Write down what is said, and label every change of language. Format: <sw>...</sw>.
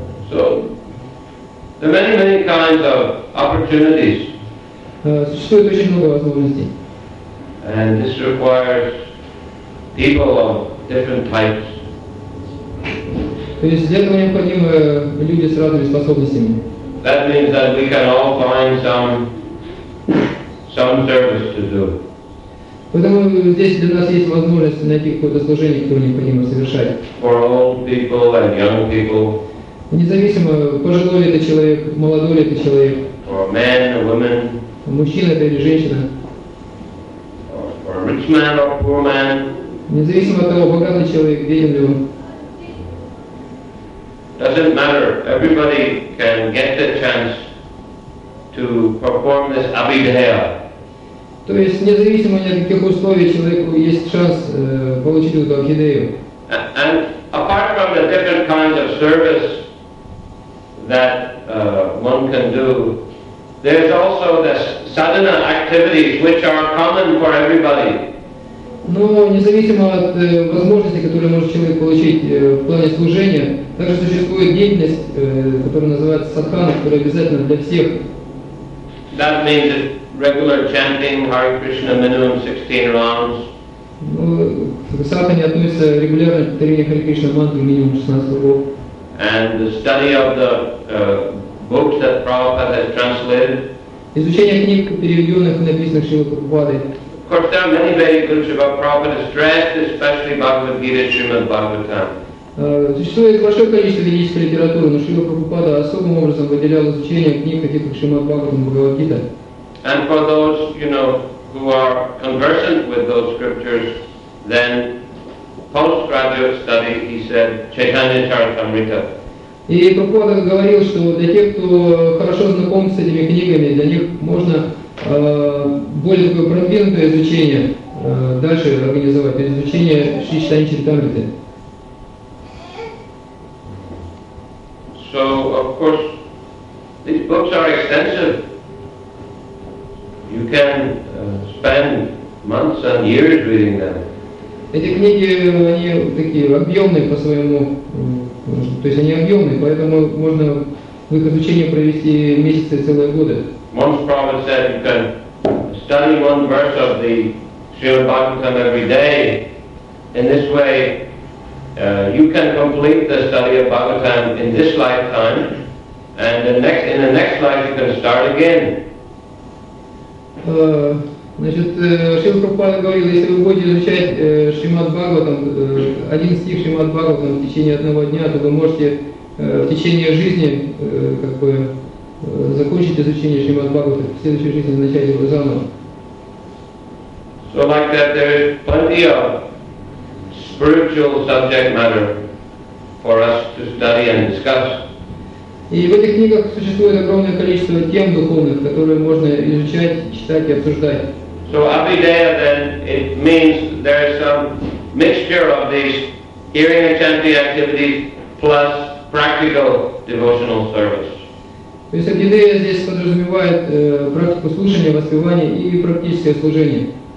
<en>So there are many kinds of opportunities.</en> <ru>Существует очень много возможностей.</ru> <en>And this requires people of different types.</en> <ru>То есть для этого необходимы люди с разными способностями.</ru> <en>That means that we can all find some service to do.</en> <ru>Поэтому здесь для нас есть возможность найти какое-то служение, которое необходимо совершать.</ru> <en>For old people and young people.</en> <ru>Независимо, пожилой ли это человек, молодой ли это человек.</ru> <en>For men or women.</en> <ru>Мужчина это или женщина.</ru> <en>For a rich man or poor man.</en> <ru>Независимо от того, богатый человек, беден ли он.</ru> <en>Doesn't matter. Everybody can get the chance to perform this abhidhaya.</en> <ru>То есть, независимо ни от каких условий, человеку есть шанс получить эту орхидею.</ru> <en>And apart from the different kinds of service that one can do, there's also the sadhana activities which are common for everybody.</en> <ru>Но независимо от возможностей, которые может человек получить в плане служения, также существует деятельность, которая называется садхана, которая обязательна для всех.</ru> <en>That means that regular chanting Hare Krishna minimum 16 rounds.</en> <ru>Ну, к садхане относится регулярное повторение Hare Krishna мантры минимум 16 кругов.</ru> <en>And the study of the books that Prabhupada has translated.</en> <ru>Изучение книг, переведенных и написанных Шрилой Прабхупадой.</ru> <en>Of course, there are many Vedic books Prabhupada stressed, especially Bhagavad Gita, Srimad Bhagavatam.</en> <ru>Существует большое количество ведической литературы, но Шрила Прабхупада особым образом выделял изучение книг, таких как Шримад Бхагаватам и Бхагавад Гита.</ru> <en>And for those, you know, who are conversant with those scriptures, then postgraduate study, he said, Chaitanya Charitamrita.</en> <ru>И Прабхупада говорил, что для тех, кто хорошо знаком с этими книгами, для них можно более такое продвинутое изучение дальше организовать, изучение Шри Чайтанья Чаритамриты.</ru> <en>So, of course, these books are extensive. You can spend months and years reading them.</en> <ru>Эти книги, они такие объемные по своему, то есть они объемные, поэтому можно в их изучении провести месяцы, целые годы.</ru> <en>Once Prabhupada said you can study one verse of the Srimad Bhagavatam every day. In this way, you can complete the study of Bhagavatam in this lifetime, and in the next life you can start again.</en> <ru>Шрила Прабхупада говорил, если вы будете изучать Шримад Бхагаватам, один стих Шримад Бхагаватам в течение одного дня, то вы можете в течение жизни как бы закончить изучение Шримад Бхагаватам, в следующей жизни начать его заново.</ru> <en>So like that there is plenty of spiritual subject matter for us to study and discuss.</en> <ru>И в этих книгах существует огромное количество тем духовных, которые можно изучать, читать и обсуждать.</ru> <en>So abhidaya then, it means there is some mixture of these hearing and chanting activities plus practical devotional service.</en> <ru>То есть Акидея здесь подразумевает практику слушания, воспевания и практическое служение.</ru>